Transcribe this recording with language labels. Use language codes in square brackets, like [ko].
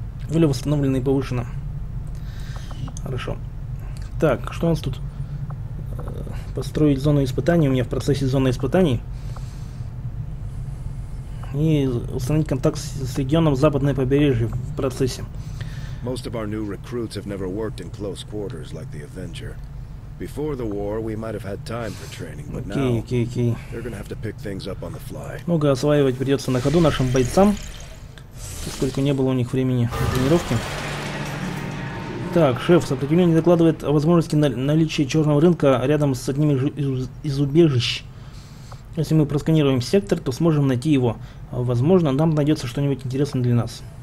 [ru] Или восстановлено и повышено. Хорошо. Так, что у нас тут? Построить зону испытаний. У меня в процессе зоны испытаний. И установить контакт с регионом западной побережья в процессе. [en] Most of our new recruits have never worked in close quarters like the Avenger. Before the war, we might have had time for training, but now they're gonna have to pick things up on the fly. [ru] Много осваивать придется на ходу нашим бойцам, поскольку не было у них времени на тренировки. Так, шеф, сопротивление докладывает о возможности наличия черного рынка рядом с одним из убежищ. Если мы просканируем сектор, то сможем найти его. Возможно, нам найдется что-нибудь интересное для нас.